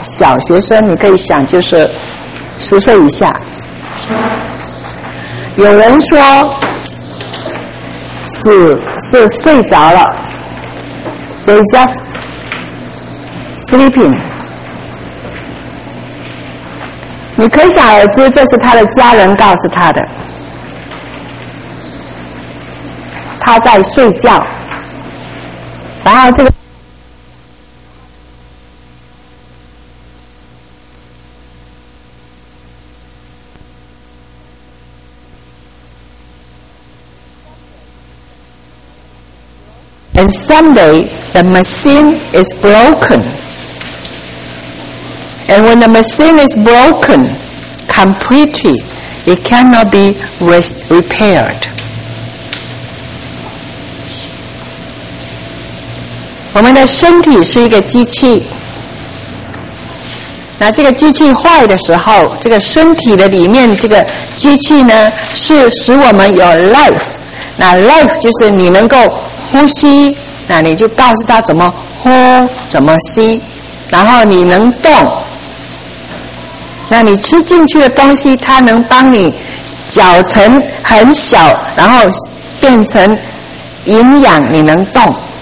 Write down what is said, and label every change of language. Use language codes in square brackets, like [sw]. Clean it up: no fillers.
[zh] 小学生你可以想就是10岁以下，有人说死是睡着了， [en] they just sleeping。 [zh] 你可想而知这是他的家人告诉他的，他在睡觉。然后这个 [en] And someday the machine is broken. And when the machine is broken completely, it cannot be repaired. [zh] 我们的身体是一个机器，那这个机器坏的时候，这个身体的里面这个机器呢，是使我们有 life。那 life 就是你能够呼吸，那你就告诉他怎么呼怎么吸，然后你能动，那你吃进去的东西它能帮你搅成很小，然后变成营养，你能动。